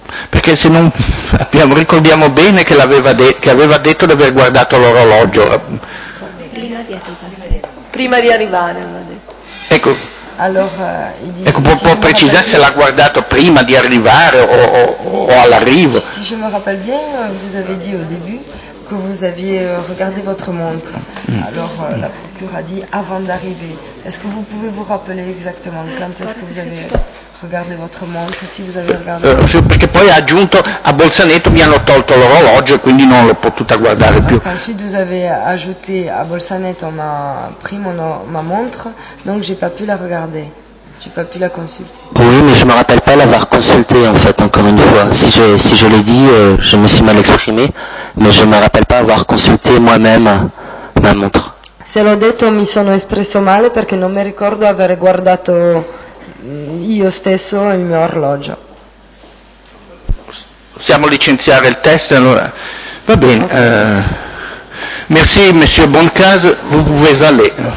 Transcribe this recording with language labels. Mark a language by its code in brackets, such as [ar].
[it] Perché se non ricordiamo bene che aveva detto di aver guardato l'orologio. Prima di arrivare, aveva detto. Ecco. Allora, può precisare se l'ha guardato prima di arrivare o all'arrivo? [fr] Se je me rappelle bien, vous avez dit au début que vous aviez regardé votre montre. Allora, la procure a dit avant d'arriver. Est-ce que vous pouvez vous rappeler exactement quand est-ce que vous avez regardé votre montre, si vous avez regardé [it] Sì, perché poi ha aggiunto, a Bolzaneto mi hanno tolto l'orologio e quindi non l'ho potuta guardare [fr] parce [it] più. [fr] Parce qu'ensuite vous avez ajouté à Bolzaneto ma pris ma montre, donc j'ai pas pu la regarder. J'ai pas pu la consulter. Oui, mais je me rappelle pas l'avoir consulté, en fait, encore une fois. Si je l'ai dit, je me suis mal exprimé, mais je me rappelle pas avoir consulté moi-même ma montre. [it] Se l'ho detto, mi sono espresso male perché non mi ricordo aver guardato io stesso il mio orologio. Possiamo licenziare il test, allora? Va bene. [fr] Merci, monsieur Boncaso. Vous pouvez aller.